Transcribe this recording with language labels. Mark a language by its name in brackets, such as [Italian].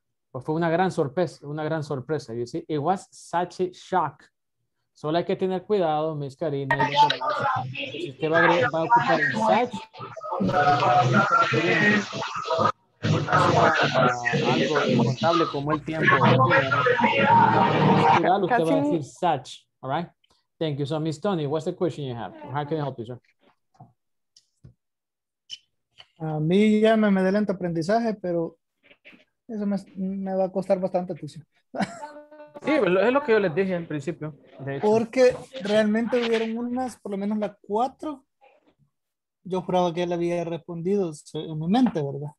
[Spanish] Pues fue una gran sorpresa, [English] you see? It was such a shock. [Spanish] Solo hay que tener cuidado, mis cariños. Si usted va a ocupar el such, algo incontable como el tiempo. Usted casi... va a decir such. [English] All right. Thank you. So, Miss Tony, what's the question you have? How can I help you, sir? [Spanish] A mí ya me da lento aprendizaje, pero eso me va a costar bastante atención. Sí, es lo que yo les dije en principio. Porque realmente hubieron unas, por lo menos las cuatro. Yo juraba que él había respondido en mi mente, ¿verdad?